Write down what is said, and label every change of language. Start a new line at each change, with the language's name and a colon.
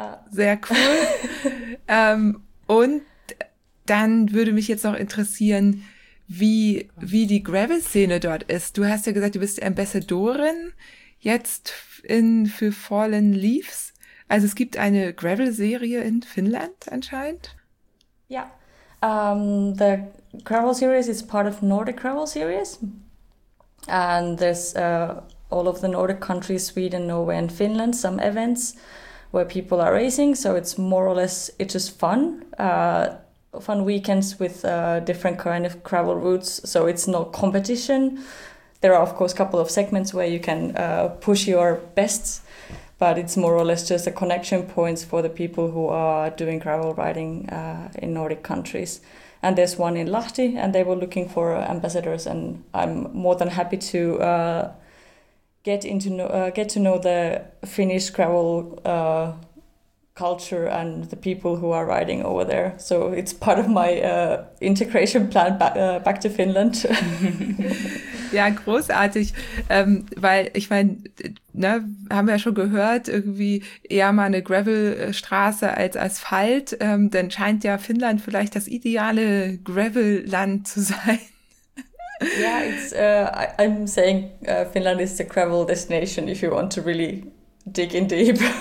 German: Sehr cool. und dann würde mich jetzt noch interessieren, wie die Gravel-Szene dort ist. Du hast ja gesagt, du bist Ambassadorin jetzt für Fallen Leaves. Also es gibt eine Gravel-Serie in Finnland anscheinend.
English: Yeah, the Gravel Series is part of Nordic Gravel Series, and there's all of the Nordic countries, Sweden, Norway and Finland, some events where people are racing, so it's more or less, it's just fun weekends with different kind of gravel routes, so it's not competition. There are of course a couple of segments where you can push your best, but it's more or less just a connection points for the people who are doing gravel riding in Nordic countries. And there's one in Lahti, and they were looking for ambassadors, and I'm more than happy to get to know the Finnish gravel culture and the people who are riding over there. So it's part of my integration plan back to Finland.
German: Ja, großartig, weil ich meine, ne, haben wir ja schon gehört, irgendwie eher mal eine Gravelstraße als Asphalt, dann scheint ja Finnland vielleicht das ideale Gravelland zu sein.
English: Ja, I'm saying Finland is the gravel destination if you want to really dig in deep.